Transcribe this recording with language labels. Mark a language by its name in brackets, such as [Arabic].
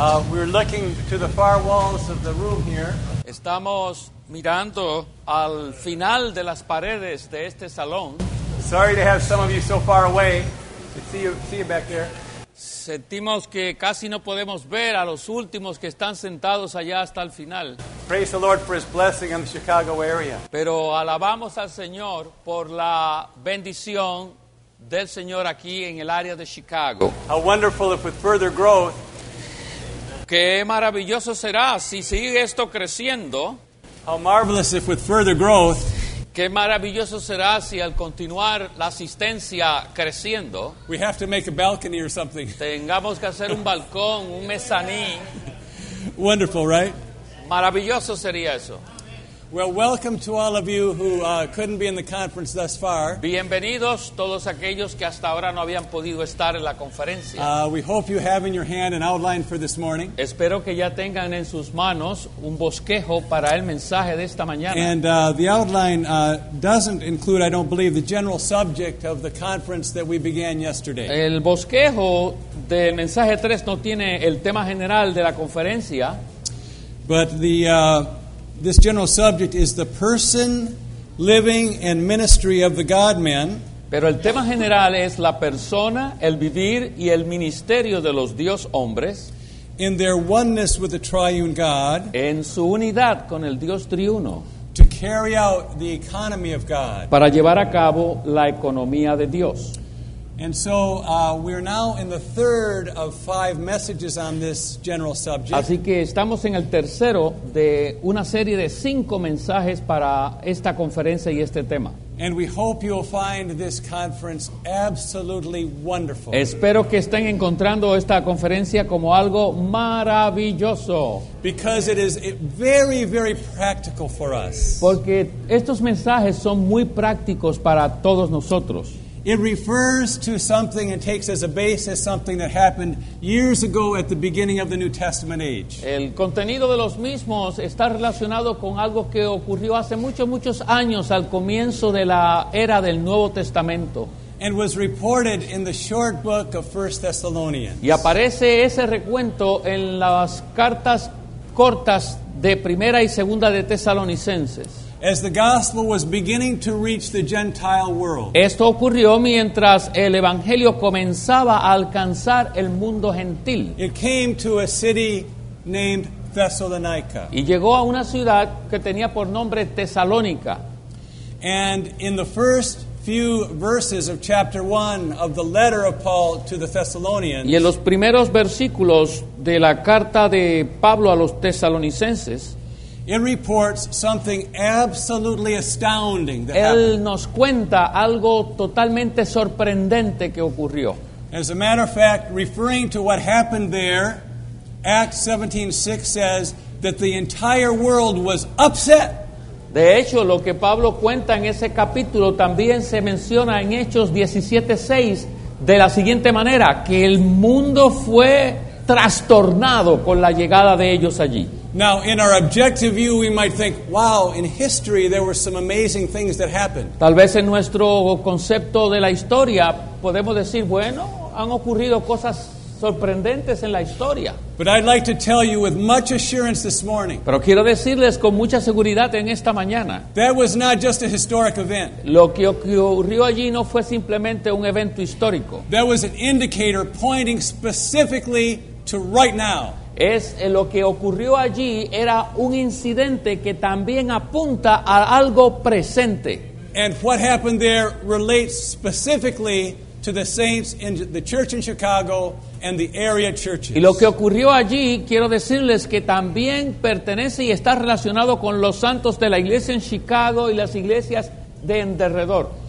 [English] We're looking to the far walls of the room here. [Spanish] Estamos mirando al final de las paredes de este salón. [English] Sorry to have some of you so far away. See you back there. [Spanish] Sentimos que casi no podemos ver a los últimos que están sentados allá hasta el final. [English] Praise the Lord for his blessing in the Chicago area. [Spanish] Pero alabamos al Señor por la bendición del Señor aquí en el área de Chicago. [English] How wonderful if with further growth. [Spanish] Qué maravilloso será si sigue esto creciendo. [English] How marvelous if with further growth. [Spanish] Qué maravilloso será si al continuar la asistencia creciendo. [English] We have to make a balcony or something. [Spanish] Tengamos que hacer un balcón, un mezanín. [English] Wonderful, right? [Spanish] Maravilloso sería eso. [English] Well, welcome to all of you who couldn't be in the conference thus far. [Spanish] Bienvenidos todos aquellos que hasta ahora no habían podido estar en la conferencia. [English] We hope you have in your hand an outline for this morning. [Spanish] Espero que ya tengan en sus manos un bosquejo para el mensaje de esta mañana. [English] And the outline doesn't include, I don't believe, the general subject of the conference that we began yesterday. [Spanish] El bosquejo del mensaje 3 no tiene el tema general de la conferencia. [English] But the... This general subject is the person, living, and ministry of the God-Man. [Spanish] Pero el tema general es la persona, el vivir y el ministerio de los Dios-Hombres. [English] In their oneness with the Triune God. [Spanish] En su unidad con el Dios Triuno. [English] To carry out the economy of God. [Spanish] Para llevar a cabo la economía de Dios. [English] And so we're now in the third of five messages on this general subject. [Spanish] Así que estamos en el tercero de una serie de cinco mensajes para esta conferencia y este tema. [English] And we hope you'll find this conference absolutely wonderful. [Spanish] Espero que estén encontrando esta conferencia como algo maravilloso. [English] Because it is very, very practical for us. [Spanish] Porque estos mensajes son muy prácticos para todos nosotros. [English] It refers to something and takes as a basis something that happened years ago at the beginning of the New Testament age. [Spanish] El contenido de los mismos está relacionado con algo que ocurrió hace muchos, muchos años al comienzo de la era del Nuevo Testamento. [English] And was reported in the short book of 1 Thessalonians. [Spanish] Y aparece ese recuento en las cartas cortas de Primera y Segunda de Tesalonicenses. [English] As the gospel was beginning to reach the Gentile world. [Spanish] Esto ocurrió mientras el evangelio comenzaba a alcanzar el mundo gentil. [English] It came to a city named Thessalonica. [Spanish] Y llegó a una ciudad que tenía por nombre Tesalónica. [English] And in the first few verses of chapter 1 of the letter of Paul to the Thessalonians. [Spanish] Y en los primeros versículos de la carta de Pablo a los Tesalonicenses. [English] It reports something absolutely astounding that [Spanish] él [English] happened. [Spanish] Él nos cuenta algo totalmente sorprendente que ocurrió. [English] As a matter of fact, referring to what happened there, Acts 17:6 says that the entire world was upset. [Spanish] De hecho, lo que Pablo cuenta en ese capítulo también se menciona en Hechos 17:6 de la siguiente manera, que el mundo fue trastornado con la llegada de ellos allí. [English] Now, in our objective view, we might think, wow, in history, there were some amazing things that happened. [Spanish] Tal vez en nuestro concepto de la historia, podemos decir, bueno, han ocurrido cosas sorprendentes en la historia. [English] But I'd like to tell you with much assurance this morning. [Spanish] Pero quiero decirles con mucha seguridad en esta mañana. [English] That was not just a historic event. [Spanish] Lo que ocurrió allí no fue simplemente un evento histórico. [English] That was an indicator pointing specifically to right now. [Spanish] Es lo que ocurrió allí era un incidente que también apunta a algo presente. [English] And what happened there relates specifically to the saints in the church in Chicago and the area churches. [Spanish] Y lo que ocurrió allí, quiero decirles que también pertenece y está relacionado con los santos de la iglesia en Chicago y las iglesias de en derredor.